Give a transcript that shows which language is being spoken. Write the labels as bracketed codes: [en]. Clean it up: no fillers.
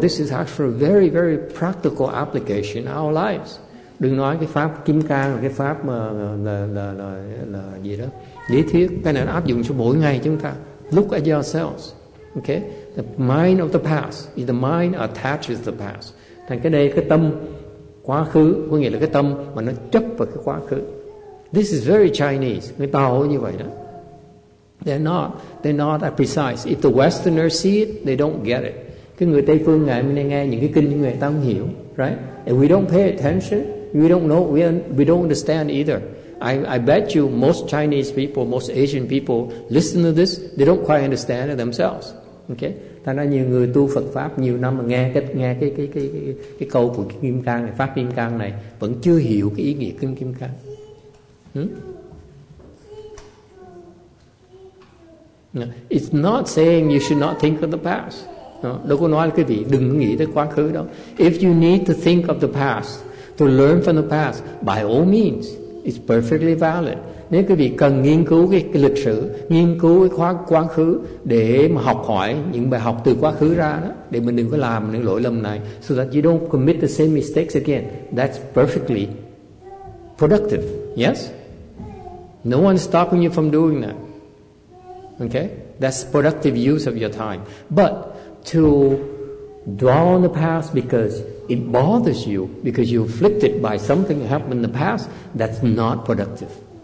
[en] This is actually a very very practical application in our lives. [vi] Đừng nói cái pháp Kim Cang là cái pháp mà là gì đó lý thuyết, cái này nó áp dụng cho mỗi ngày chúng ta. [en] Look at yourselves, okay? The mind of the past is the mind attaches the past. [vi] Thành cái đây cái tâm quá khứ, có nghĩa là cái tâm mà nó chấp vào cái quá khứ. [en] This is very Chinese. They're not that precise. If the Westerner see it, they don't get it. [vi] Cái người Tây phương ngày hôm nay nghe những cái kinh như người ta không hiểu, right? [en] And we don't pay attention. We don't know. We don't understand either. I bet you most Chinese people, most Asian people listen to this. They don't quite understand it themselves. Okay? [vi] Thành ra nhiều người tu Phật pháp nhiều năm mà nghe cái câu của Kim Cang này, pháp Kim Cang này vẫn chưa hiểu cái ý nghĩa của Kim Cang. [en] It's not saying you should not think of the past. [vi] Đâu có nói là quý vị đừng nghĩ tới quá khứ đâu. [en] If you need to think of the past, to learn from the past, by all means, it's perfectly valid. [vi] Nếu quý vị cần nghiên cứu cái lịch sử, nghiên cứu cái quá khứ để mà học hỏi những bài học từ quá khứ ra đó, để mình đừng có làm những lỗi lầm này, [en] so that you don't commit the same mistakes again, that's perfectly productive. Yes? No one's stopping you from doing that. Okay? That's productive use of your time. But to dwell on the past because it bothers you, because you're afflicted by something that happened in the past, that's not productive.